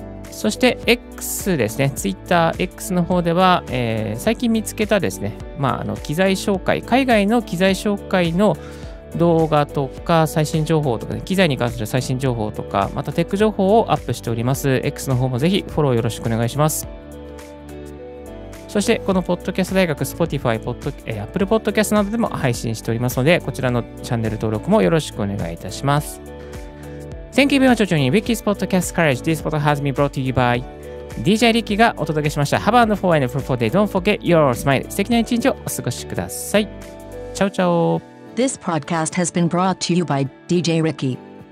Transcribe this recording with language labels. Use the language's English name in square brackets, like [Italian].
[Japanese] そして X ですね、 TwitterX の方では、最近見つけたですね、まあ、機材紹介、海外の機材紹介の動画とか最新情報とか、ね、機材に関する最新情報とか、またテック情報をアップしております。 X の方もぜひフォローよろしくお願いします。そして、このポッドキャスト大学、Spotify、Apple Podcast などでも配信しておりますので、こちらのチャンネル登録もよろしくお願いいたします。 [English] Thank you very much for joining Ricky's Podcast Courage. This podcast has been brought to you by DJ Ricky [Japanese] がお届けしました。 [English] Have a wonderful and fruitful day. Don't forget your smile. [Japanese] 素敵な一日をお過ごしください。チャオチャオ。 [English] This podcast has been brought to you by DJ Ricky.